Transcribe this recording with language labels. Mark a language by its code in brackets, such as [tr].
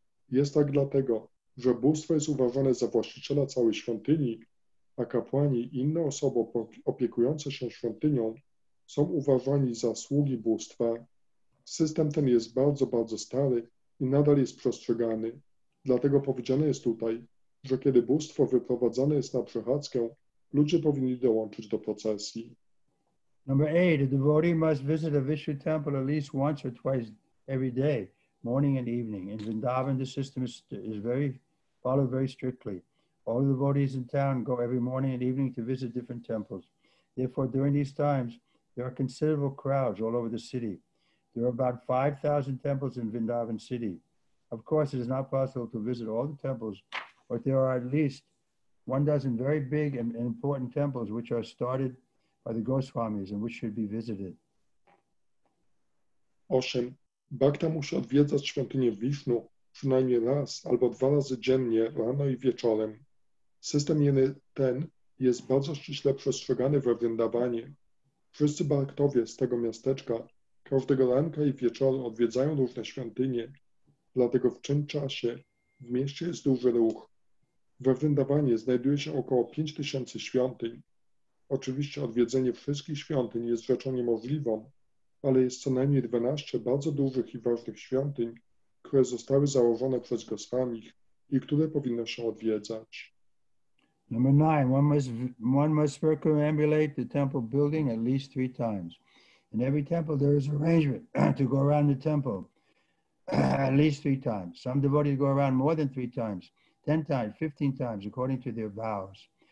[pl] Jest tak dlatego, że bóstwo jest uważane za właściciela całej świątyni, a kapłani i inne osoby opiekujące się świątynią są uważani za sługi bóstwa. System ten jest bardzo, bardzo stary i nadal jest przestrzegany. Dlatego powiedziane jest tutaj, że kiedy bóstwo wyprowadzane jest na przechadzkę, ludzie powinni dołączyć do procesji. [en] Number eight, a devotee must visit a Vishnu temple at least once or twice every day, morning and evening. In Vrindavan, the system is very followed very strictly. All the devotees in town go every morning and evening to visit different temples. Therefore, during these times, there are considerable crowds all over the city. There are about 5,000 temples in Vrindavan city. A Of course, it is not possible to visit all the temples, but there are at least one dozen very big and important temples which are started by the Goswamis and which should be visited. [pl] 8. Bhakta musi odwiedzać świątynię Vishnu przynajmniej raz albo dwa razy dziennie, rano i wieczorem. System ten jest bardzo ściśle przestrzegany we Vrindavanie. Wszyscy bhaktowie z tego miasteczka każdego ranka i wieczoru odwiedzają różne świątynie, dlatego w tym czasie w mieście jest duży ruch. We Vrindavanie znajduje się około 5000 świątyń. Oczywiście odwiedzenie wszystkich świątyń jest rzeczą niemożliwą, ale jest co najmniej 12 bardzo dużych i ważnych świątyń, które zostały założone przez Goswamich i które powinno się odwiedzać. [en] Number 9. One must circumambulate the temple building at least 3 times. In every temple there is arrangement to go around the temple at least 3 times. Some devotees go around more than 3 times, 10 times, 15 times, according to their vows.